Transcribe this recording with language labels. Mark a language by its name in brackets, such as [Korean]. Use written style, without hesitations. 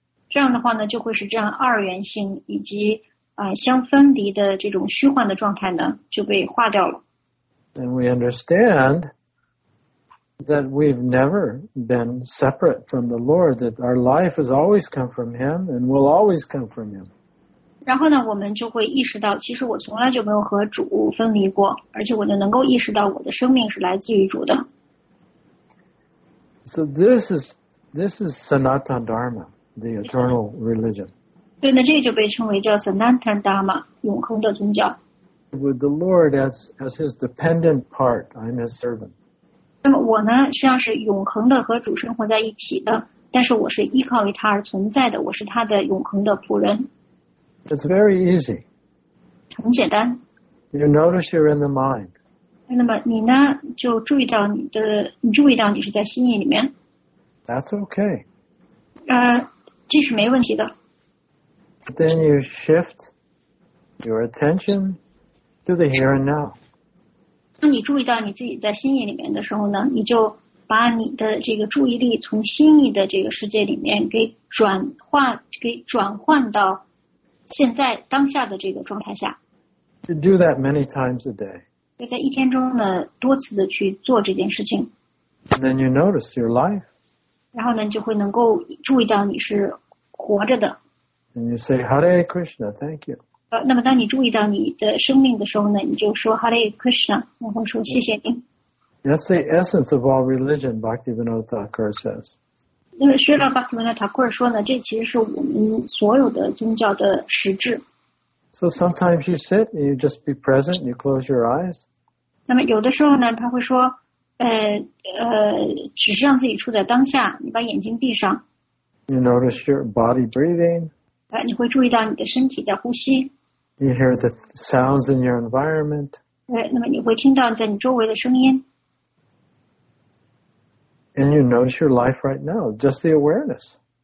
[Chinese] 这样的话呢，就会使这样二元性以及相分离的这种虚幻的状态呢，就被化掉了。 [English] And we understand. That we've never been separate from the Lord, that our life has always come from Him and will always come from Him. [Chinese] 然后呢，我们就会意识到，其实我从来就没有和主分离过，而且我就能够意识到我的生命是来自于主的。 [English] So this is Sanatana Dharma, the eternal religion. [Chinese] 对，那这就被称为叫 Sanatana Dharma, 永恒的宗教。 [English] With the Lord as His dependent part, I'm His servant. [Chinese] 那么我呢，实际上是永恒的和主生活在一起的，但是我是依靠于他而存在的，我是他的永恒的仆人。 [English] It's very easy. [Chinese] 很简单。 [English] You notice you're in the mind. [Chinese] 那么你呢就注意到你的你注意到你是在心意里面 [English] That's okay [Chinese] 这是没问题的 [English] But then you shift your attention to the here and now [Chinese] 当你注意到你自己在心意里面的时候呢你就把你的这个注意力从心意的这个世界里面给转换到现在当下的这个状态下 [English] You do that many times a day [Chinese] 在一天中呢多次的去做这件事情 [English] then you notice your life [Chinese] 然后呢就会能够注意到你是活着的 [English] and you say Hare Krishna thank you [Chinese] 那么当你注意到你的生命的时候呢你就说 Hare Krishna 然后说谢谢您 [English] that's the essence of all religion Bhaktivinoda Thakur says [Chinese] 那么Srila Bhaktivinoda Thakur说呢这其实是我们所有的宗教的实质 [English] So sometimes you sit and you just be present and you close your eyes. [Chinese] 那么有的时候呢他会说只是让自己处在当下你把眼睛闭上。 [English] You notice your body breathing. [Chinese] 你会注意到你的身体在呼吸。 [English] You hear the sounds in your environment. [Chinese] 那么你会听到在你周围的声音。 [English] And you notice your life right now, just the awareness.